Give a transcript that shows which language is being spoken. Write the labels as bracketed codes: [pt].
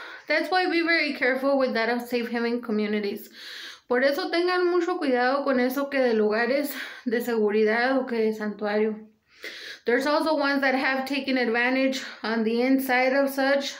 [en] That's why be very careful with that of safe haven communities. [es] Por eso tengan mucho cuidado con eso que de lugares de seguridad o que de santuario. [en] There's also ones that have taken advantage on the inside of such.